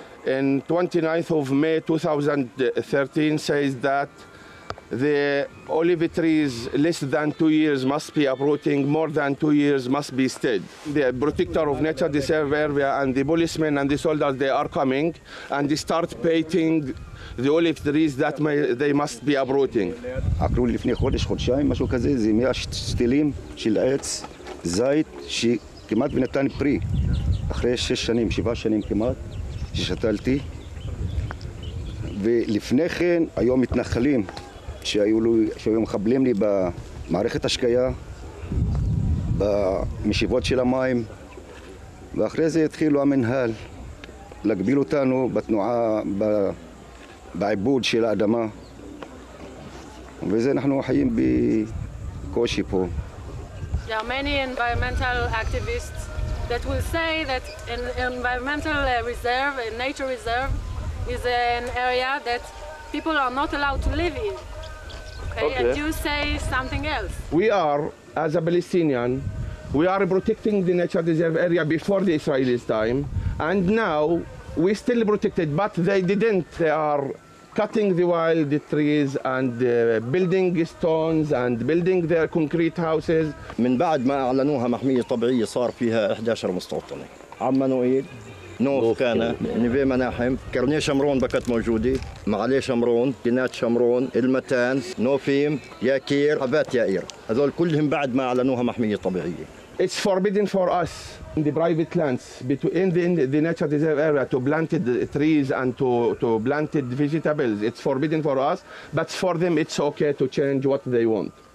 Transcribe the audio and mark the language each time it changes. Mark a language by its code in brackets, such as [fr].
[en] In 29th of May 2013 says that the olive trees less than 2 years must be uprooting, more than 2 years must be stayed. The protector of nature reserve area and the policemen and the soldiers, they are coming and they start painting the olive trees that they must be uprooting. [he] עקרו לי לפני חודש, חודשיים, משהו כזה, זה 100 שתילים של עץ, זית, כמעט ונתן פרי, אחרי 6 שנים, 7 שנים כמעט, ששתלתי. ולפני כן, היו מתנחלים שהיו מחבלים לי במערכת השקיה, במשיבות של המים, ואחרי זה התחילו המנהל להגביל אותנו בתנועה, בעיבוד של האדמה. וזה אנחנו חיים בקושי פה. [en] There are many environmental activists that will say that an environmental reserve, a nature reserve, is an area that people are not allowed to live in. Okay. And you say something else. We are, as a Palestinian, we are protecting the nature reserve area before the Israelis' time, and now we still protect it, but they didn't. They are cutting the wild trees and building stones and building their concrete houses. [ar] من بعد ما اعلنوها محميه طبيعيه صار فيها 11 مستوطنه. عم نويل، نوف كانا، نبي مناحم، كرنيه شمرون بقت موجوده، معليه شمرون، بنات شمرون، المتان، نوفيم، ياكير، حبات ياير. هذول كلهم بعد ما اعلنوها محميه طبيعيه. [en] It's forbidden for us in the private lands between the nature reserve area to plant the trees and to plant the vegetables. It's forbidden for us, but for them it's okay to change what they want.